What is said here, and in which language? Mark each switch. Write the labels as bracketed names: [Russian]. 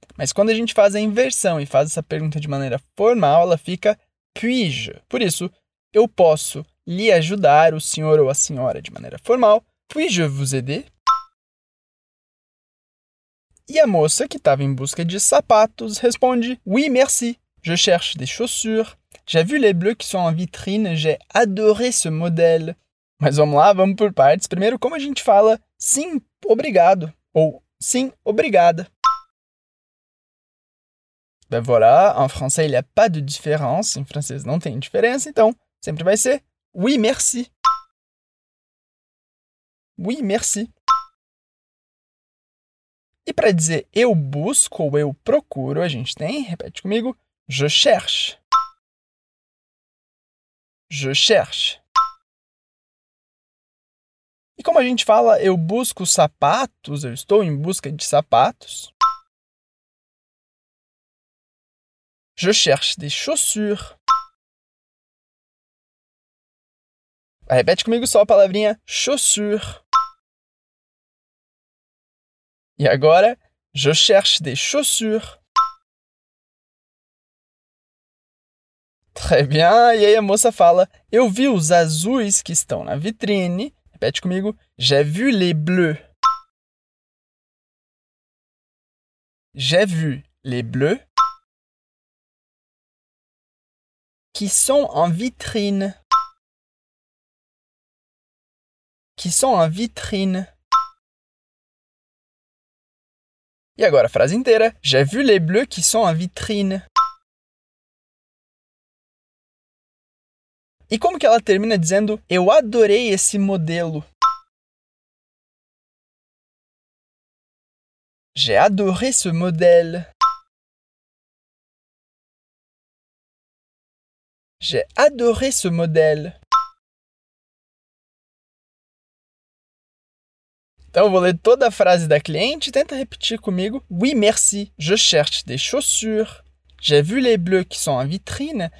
[Portuguese] Mas quando a gente faz a inversão e faz essa pergunta de maneira formal, ela fica [French] puis-je. [Portuguese] Por isso, eu posso lhe ajudar o senhor ou a senhora de maneira formal. [French] Puis-je vous aider? [Portuguese] E a moça que estava em busca de sapatos responde [French] oui, merci. Je cherche des chaussures. J'ai vu les bleus qui sont en vitrine. J'ai adoré ce modèle. [Portuguese] Mas vamos lá, vamos por partes. Primeiro, como a gente fala sim, obrigado? Ou sim, obrigada? [French] Ben voilà, en français il n'y a pas de différence, [Portuguese] em francês não tem diferença, então sempre vai ser [French] oui, merci. Oui, merci. [Portuguese] E para dizer eu busco ou eu procuro, a gente tem, repete comigo, [French] je cherche. Je cherche. [Portuguese] E como a gente fala eu busco sapatos, eu estou em busca de sapatos? [French] Je cherche des chaussures. [Portuguese] Repete comigo só a palavrinha chaussure. E agora, [French] je cherche des chaussures. Très bien. [Portuguese] E aí a moça fala, eu vi os azuis que estão na vitrine. Repete comigo, [French] j'ai vu les bleus. J'ai vu les bleus. Qui sont en vitrine. Qui sont en vitrine. [Portuguese] E agora a frase inteira. [French] J'ai vu les bleus qui sont en vitrine. [Portuguese] E como que ela termina dizendo eu adorei esse modelo? [French] J'ai adoré ce modèle. J'ai adoré ce modèle. [Portuguese] Então, vou ler toda a frase da cliente e tenta repetir comigo. [French] Oui, merci. Je cherche des chaussures. J'ai vu les bleus qui sont en vitrine.